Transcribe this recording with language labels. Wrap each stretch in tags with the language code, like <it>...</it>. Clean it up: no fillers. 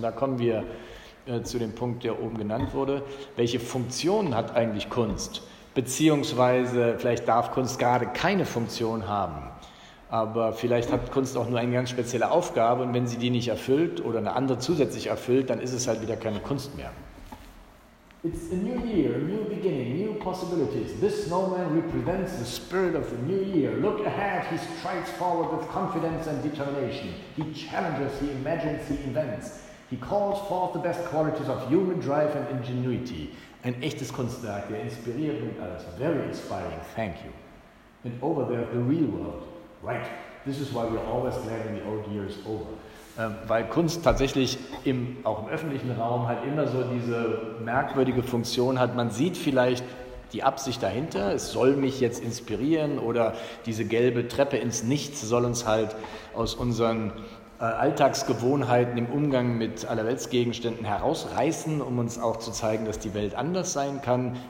<de>Und da kommen wir zu dem Punkt, der oben genannt wurde. Welche Funktion hat eigentlich Kunst? Beziehungsweise vielleicht darf Kunst gerade keine Funktion haben, aber vielleicht hat Kunst auch nur eine ganz spezielle Aufgabe und wenn sie die nicht erfüllt oder eine andere zusätzlich erfüllt, dann ist es halt wieder keine Kunst mehr.</de> <en>It's a new year, a new beginning, new possibilities. This snowman represents the spirit of the new year. Look ahead, he strides forward with confidence and determination. He challenges, he imagines, he invents. He calls forth the best qualities of human drive and ingenuity.</en> <de>Ein echtes Kunstwerk, der inspiriert und alles.</de> <en>Very inspiring, thank you. And over there, the real world. Right, this is why we're always glad when the old year is over.</en> <de>Weil Kunst tatsächlich auch im öffentlichen Raum halt immer so diese merkwürdige Funktion hat. Man sieht vielleicht die Absicht dahinter, es soll mich jetzt inspirieren oder diese gelbe Treppe ins Nichts soll uns halt aus unseren Alltagsgewohnheiten im Umgang mit Allerweltsgegenständen herausreißen, um uns auch zu zeigen, dass die Welt anders sein kann.</de>